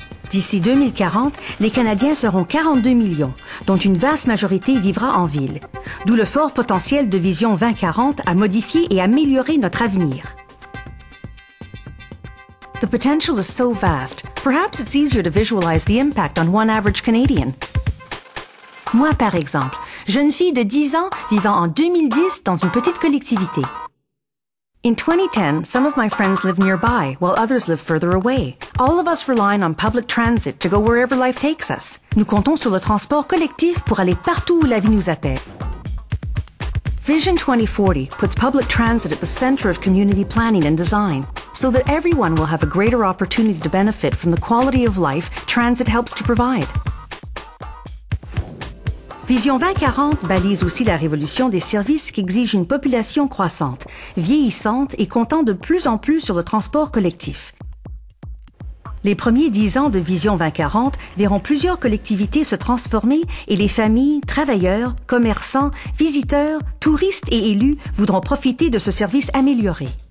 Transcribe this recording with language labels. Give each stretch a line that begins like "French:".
French: D'ici 2040, les Canadiens seront 42 millions, dont une vaste majorité vivra en ville. D'où le fort potentiel de Vision 2040 à modifier et améliorer notre avenir.
English: The potential is so vast, perhaps it's easier to visualize the impact on one average Canadian.
French: Moi, par exemple, jeune fille de 10 ans vivant en 2010 dans une petite collectivité.
English: In 2010, some of my friends live nearby, while others live further away. All of us rely on public transit to go wherever life takes us.
French: Nous comptons sur le transport collectif pour aller partout où la vie nous appelle.
English: Vision 2040 puts public transit at the center of community planning and design, so that everyone will have a greater opportunity to benefit from the quality of life transit helps to provide.
French: Vision 2040 balise aussi la révolution des services qui exige une population croissante, vieillissante et comptant de plus en plus sur le transport collectif. Les premiers 10 ans de Vision 2040 verront plusieurs collectivités se transformer et les familles, travailleurs, commerçants, visiteurs, touristes et élus voudront profiter de ce service amélioré.